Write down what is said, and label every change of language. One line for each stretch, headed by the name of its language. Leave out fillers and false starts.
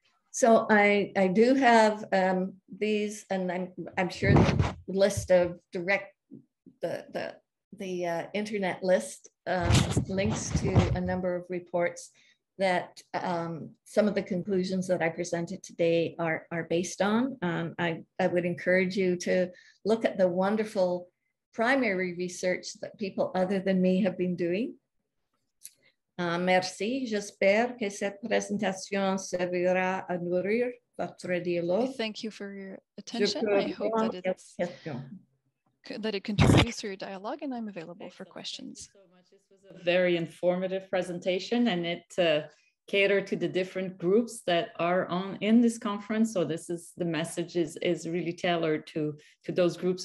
English: So I do have these, and I'm sure the list of direct, the internet list links to a number of reports that some of the conclusions that I presented today are based on. I would encourage you to look at the wonderful primary research that people other than me have been doing.
French: Merci, j'espère que cette présentation servira à nourrir votre dialogue.
English: Thank you for your attention. I hope that it contributes to your dialogue, and I'm available for questions. Thank you so much. This was a very informative presentation, and it catered to the different groups that are in this conference. So this is, the message is really tailored to those groups.